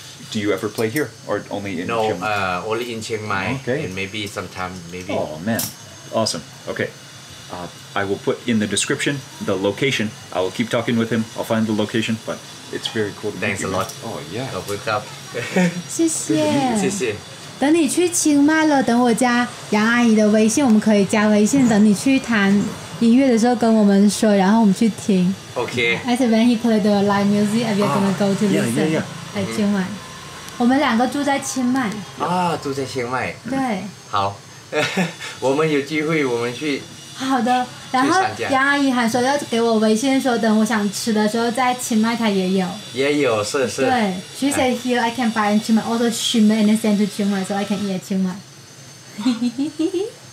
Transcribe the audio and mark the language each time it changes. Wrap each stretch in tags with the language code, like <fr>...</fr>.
<en>Do you ever play here or only in Chiang Mai? No, only in Chiang Mai. Okay. And maybe sometime, maybe. Oh man, awesome. Okay. I will put in the description the location. I will keep talking with him. I'll find the location, but it's very cool. Thanks a lot. Oh yeah. Oh, wake up.</en> <zh>谢谢。等你去清迈了，等我加杨阿姨的微信，我们可以加微信。等你去弹音乐的时候跟我们说，然后我们去听。</zh> <en>Okay. I said when he played the live music, and we are gonna go to listen. Yeah.</en> <zh>在清迈，我们两个住在清迈。住在清迈。对。好，我们有机会我们去。好的，然后杨阿姨还说要给我微信说，等我想吃的时候在清迈她也有。也有，是是。对</zh> <en>，She said here I can buy in Chiang Mai, also Chiang Mai and send to Chiang Mai, so I can eat at Chiang Mai.</en>